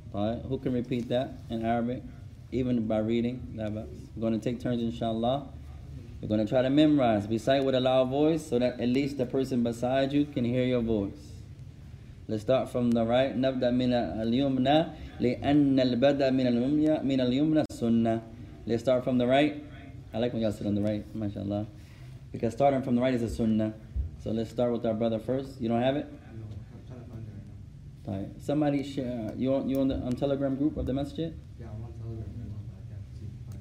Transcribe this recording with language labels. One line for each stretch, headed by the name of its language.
English: All right. Who can repeat that in Arabic, even by reading? We're going to take turns, inshallah. We're going to try to memorize. Recite with a loud voice so that at least the person beside you can hear your voice. Let's start from the right.
Arabic: نبدأ من اليمنى لأن البدء من اليمنى سنة.
English: Let's start from the right. I like when y'all sit on the right, mashallah. Because starting from the right is a sunnah. So let's start with our brother first. You don't have it? No, I'm trying to find it. Somebody share. You on the Telegram group of the masjid? Yeah, I'm on Telegram group, but I can't see the book.